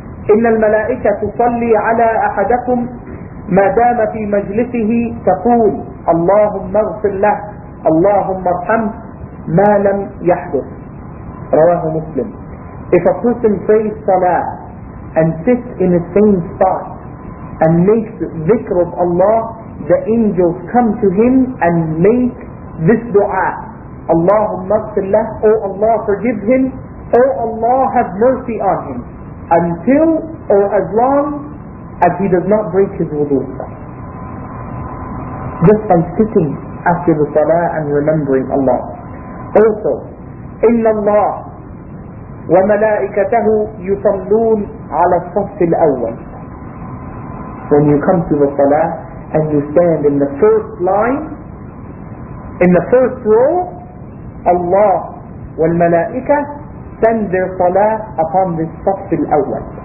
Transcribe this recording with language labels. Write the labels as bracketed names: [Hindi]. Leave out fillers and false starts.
[Arabic] إن الملائكة تصلي على أحدكم ما دام في مجلسه تقول اللهم اغفر له اللهم ارحمه ما لم يحدث. رواه مسلم. [English] If a person prays salah and sits in the same spot and makes dhikr of Allah, the angels come to him and make this dua. [Arabic] Allahumma ghfir lah, [English] O Allah forgive him, O Allah have mercy on him, until or as long as he does not break his wudu. Just by sitting after the salah and remembering Allah. [Arabic] Also, إِنَّ اللَّهِ وملائكته يصلون على الصف الأول. [English] When you come to the salah and you stand in the first line, in the first row, Allah والملائكة send their salah upon the صف الأول.